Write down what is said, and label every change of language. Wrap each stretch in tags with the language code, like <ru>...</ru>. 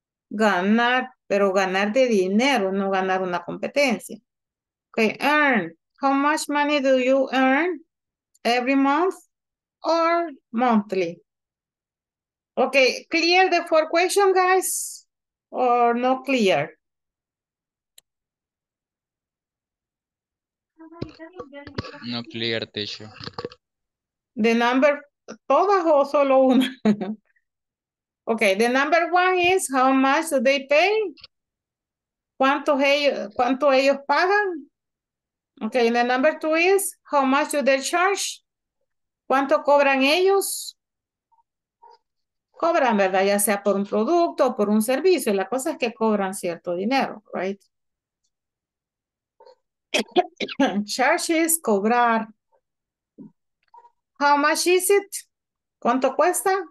<es>Ganar, pero ganar de dinero, no ganar una competencia.</es> <en>Okay, earn. How much money do you earn every month or monthly? Okay, clear the four questions, guys, or no clear? No clear, teacher. The number,</en> <es>todas o solo una?</es> <en>Okay, the number one is how much do they pay?</en> <es>¿Cuánto ellos pagan?</es> <en>Okay, and the number two is how much do they charge?</en> <es>¿Cuánto cobran ellos? Cobran, ¿verdad? Ya sea por un producto o por un servicio. La cosa es que cobran cierto dinero,</es> <en>right? Charge is cobrar. How much is it?</en> <es>¿Cuánto cuesta?</es>